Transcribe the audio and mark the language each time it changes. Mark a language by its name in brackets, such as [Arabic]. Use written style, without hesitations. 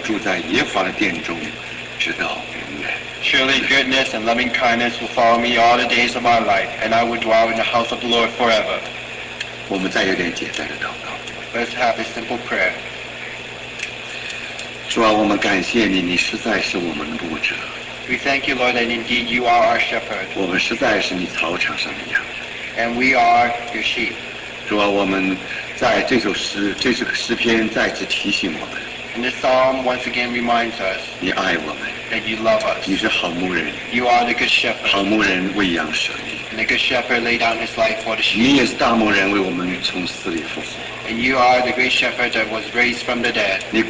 [Chinese] 我一生一世必有恩惠慈爱随着我，我且要住在耶和华的殿中，直到永远。 [English] Surely goodness and loving kindness will follow me all the days of my life, and I will dwell in the house of the Lord forever. [Chinese] 我们再有点简单的祷告。 [English] Let's have a simple prayer. [Chinese] 主啊，我们感谢你，你实在是我们的牧者。 [English] We thank you, Lord, and indeed you are our shepherd. [Chinese] 我们实在是你草场上的羊。 [English] And we are your sheep. [Chinese] 主啊，我们在这首诗篇再次提醒我们。 [English] And this psalm once again reminds us. [Chinese] 你爱我们。 [English] And you love us. [Chinese] 你是好牧人。 [English] You are the good shepherd. [Chinese] 好牧人为羊舍命。 [English] And the good shepherd laid down his life for the sheep. [Chinese] 你也是大牧人，为我们从死里复活。 [English] And you are the great shepherd that was raised from the dead.